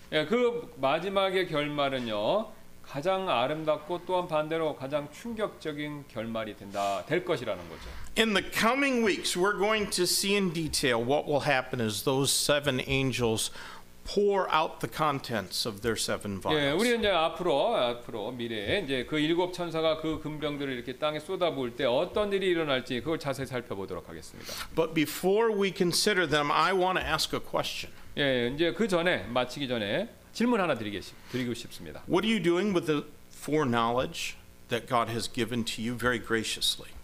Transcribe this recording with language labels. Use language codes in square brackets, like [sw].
[ko] 예, 그 마지막의 결말은요, 가장 아름답고 또한 반대로 가장 충격적인 결말이 될 것이라는 거죠. [en] In the coming weeks, we're going to see in detail what will happen as those seven angels pour out the contents of their seven vials. [ko] 예, 우리 이제 앞으로 미래에 이제 그 일곱 천사가 그 금병들을 이렇게 땅에 쏟아부을 때 어떤 일이 일어날지 그걸 자세히 살펴보도록 하겠습니다. [en] But before we consider them, I want to ask a question. [ko] 예, 이제 그 전에 마치기 전에 질문 하나 드리고 싶습니다. [en] What are you doing with the foreknowledge that God has given to you very graciously?